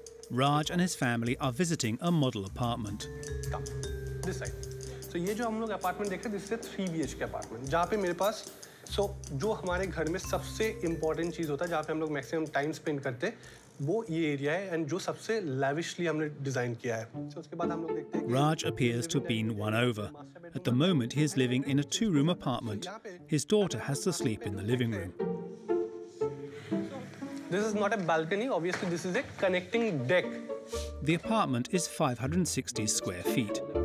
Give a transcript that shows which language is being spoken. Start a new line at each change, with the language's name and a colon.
English: Raj and his family are visiting a model apartment. Come, this side. So
Hindi: ये जो हम लोग
English: apartment
Hindi: देख रहे हैं,
English: this is a 3 BHK apartment.
Hindi: जहाँ पे मेरे पास, so जो हमारे घर में सबसे important चीज़ होता है, जहाँ पे हम लोग
English: maximum time spend
Hindi: करते, वो ये area है, and जो सबसे lavishly हमने design किया है. So उसके बाद हम लोग देखते हैं.
English: Raj appears to have been won over. At the moment, he is living in a 2-room apartment. His daughter has to sleep in the living room. This is not a balcony. Obviously, this is a connecting deck. The apartment is 560 square feet.